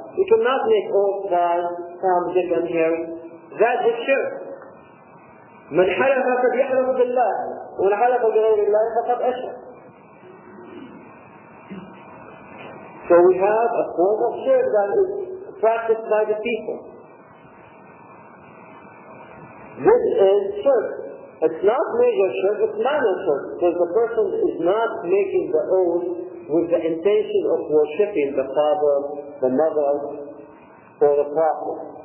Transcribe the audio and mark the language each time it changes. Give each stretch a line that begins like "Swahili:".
English: You cannot make oath by Tom, Dick and Harry. That is shirk.
Arabic: من حلف قد يحلف بالله ومن حلف بغير الله فقد أشرك.
English: So we have a form of shirk that is practiced by the people. This is shirk. It's not major shirk, it's minor shirk, because the person is not making the oath with the intention of worshipping the father, the mother, or the prophet.